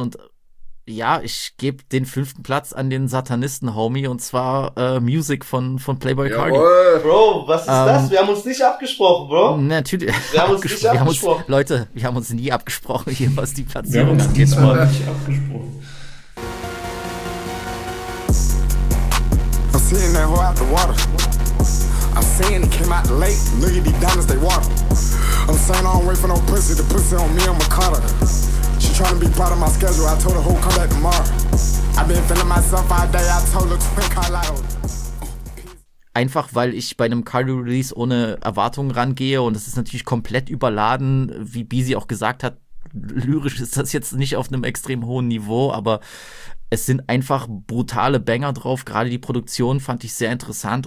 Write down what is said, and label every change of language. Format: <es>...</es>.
<de>Und ja, ich gebe den 5. Platz an den Satanisten-Homie, und zwar Music von Playboy Cardi. Bro, was ist das? Wir haben uns nicht abgesprochen, Bro. Natürlich. Wir haben uns nie abgesprochen, hier, was die Platzierung angeht. Wir haben uns nicht abgesprochen.</de> <en>I'm sitting there out the water. I'm saying came out late. Look at these diamonds, they water. I'm saying I don't wait for no pussy. The pussy on me, I'm a cutter. She tryna be part of my schedule, I told her who'll come back tomorrow. I've been feeling myself all day, I told her to pick her loud.</en> <de>Einfach weil ich bei einem Cardi Release ohne Erwartungen rangehe, und es ist natürlich komplett überladen, wie Bisi auch gesagt hat, lyrisch ist das jetzt nicht auf einem extrem hohen Niveau, aber es sind einfach brutale Banger drauf. Gerade die Produktion fand ich sehr interessant.</de>